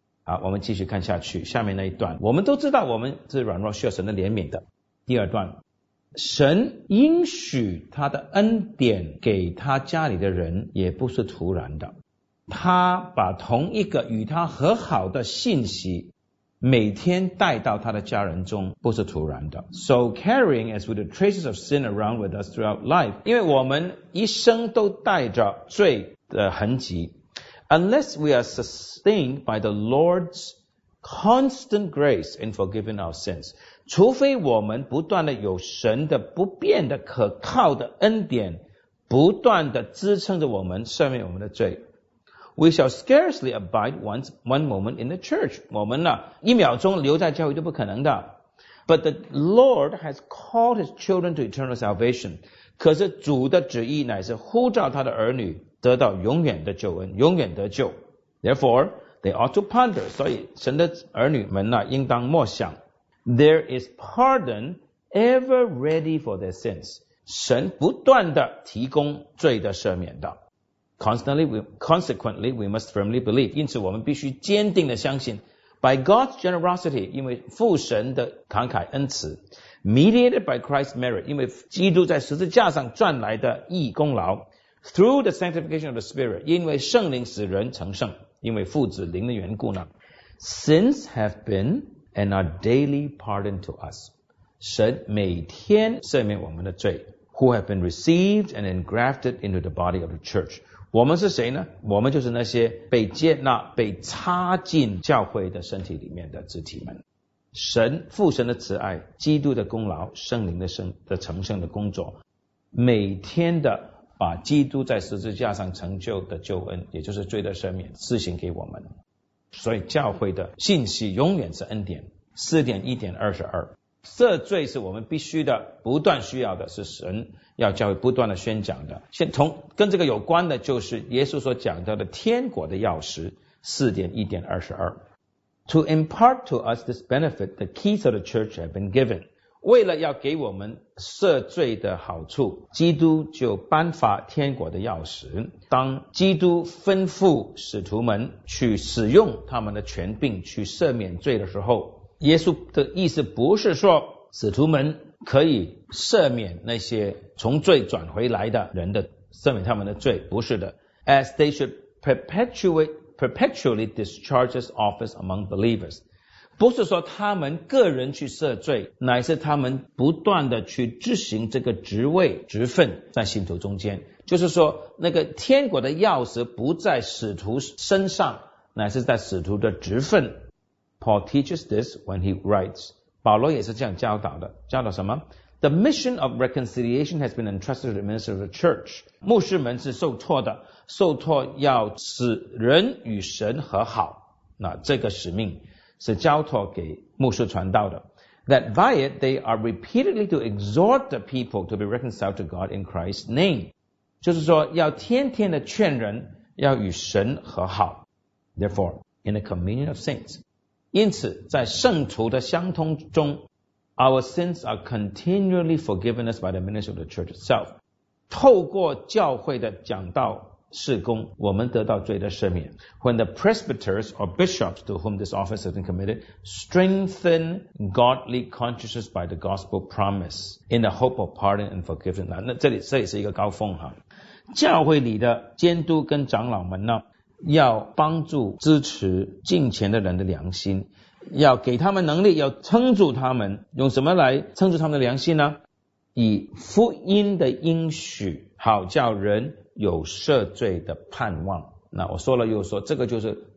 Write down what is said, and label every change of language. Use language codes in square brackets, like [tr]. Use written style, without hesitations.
[zh] 好，我们继续看下去，下面那一段，我们都知道我们是软弱需要神的怜悯的。第二段，神应许他的恩典给他家里的人，也不是突然的。他把同一个与他和好的信息每天带到他的家人中，不是突然的。 [en] So carrying as with the traces of sin around with us throughout life， [zh] 因为我们一生都带着罪的痕迹。 [en] Unless we are sustained by the Lord's constant grace in forgiving our sins， [zh] 除非我们不断的有神的不变的可靠的恩典不断的支撑着我们，赦免我们的罪。 [en] We shall scarcely abide one moment in the church. [zh] 我们呢，一秒钟留在教会都不可能的。 [en] But the Lord has called his children to eternal salvation. [zh] 可是主的旨意乃是呼召他的儿女得到永远的救恩，永远得救。 [en] Therefore, they ought to ponder. [zh] 所以神的儿女们呢，应当默想。 [en] There is pardon ever ready for their sins. [zh] 神不断地提供罪的赦免的。 [en] Consequently, we must firmly believe. [zh] 因此我们必须坚定地相信 [en] By God's generosity, [zh] 因为父神的慷慨恩慈 [en] Mediated by Christ's merit, [zh] 因为基督在十字架上赚来的义功劳 [en] Through the sanctification of the Spirit, [zh] 因为圣灵使人成圣，因为父子灵的缘故呢 [en] Sins have been and are daily pardoned to us. [zh] 神每天赦免我们的罪 [en] Who have been received and engrafted into the body of the church. [zh] 我们是谁呢？我们就是那些被接纳、被插进教会的身体里面的肢体们。神父神的慈爱、基督的功劳、圣灵的圣的成圣的工作，每天的把基督在十字架上成就的救恩，也就是罪的赦免，施行给我们。所以教会的信息永远是恩典。四点一点二十二，赦罪是我们必须的，不断需要的，是神要教会不断的宣讲的。先从跟这个有关的，就是耶稣所讲到的天国的钥匙，四点一点二十二。 [en] To impart to us this benefit, the keys of the church have been given. [zh] 为了要给我们赦罪的好处，基督就颁发天国的钥匙。当基督吩咐使徒们去使用他们的权柄去赦免罪的时候，耶稣的意思不是说使徒们可以赦免那些从罪转回来的人的，赦免他们的罪，不是的。 [en] As they should perpetually discharge his office among believers， [zh] 不是说他们个人去赦罪，乃是他们不断的去执行这个职位职分在信徒中间。就是说，那个天国的钥匙不在使徒身上，乃是在使徒的职分。 [en] Paul teaches this when he writes。 [zh] 保罗也是这样教导的，教导什么？ [en] The mission of reconciliation has been entrusted to the minister of the church. [zh] 牧师们是受托的，受托要使人与神和好，那这个使命是交托给牧师传道的。 [en] That via it, they are repeatedly to exhort the people to be reconciled to God in Christ's name. [zh] 就是说要天天的劝人要与神和好。 [en] Therefore, in the communion of saints, [zh] 因此在圣徒的相通中 [en] Our sins are continually forgiven us by the ministry of the church itself. [zh] 透过教会的讲道事工，我们得到罪的赦免。 [en] When the presbyters or bishops to whom this office has been committed strengthen godly consciences by the gospel promise in the hope of pardon and forgiveness. [zh] 那这里是一个高峰哈。教会里的监督跟长老们呢，要帮助支持敬虔的人的良心，要给他们能力，要撑住他们。用什么来撑住他们的良心呢？以福音的应许，好叫人有赦罪的盼望。那我说了又说，这个就是